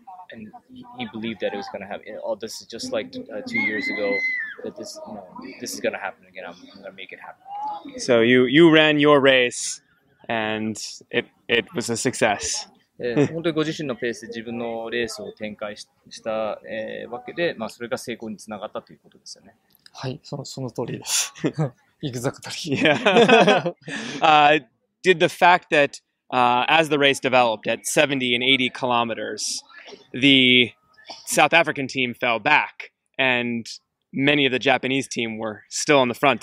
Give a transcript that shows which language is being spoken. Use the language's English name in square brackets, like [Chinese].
[English] And he believed that it was going to happen. Oh, this is just like 2 years ago that this, this is going to happen again. I'm going to make it happen. So you ran your race and it was a success. [Japanese] 本当にご自身のペースで自分のレースを展開したわけで、まあ、それが成功につながったということですよね。はい、その通りです。 [English] Exactly. Yeah. Did the fact that as the race developed at 70 and 80 kilometers, the South African team fell back and many of the Japanese team were still on the front.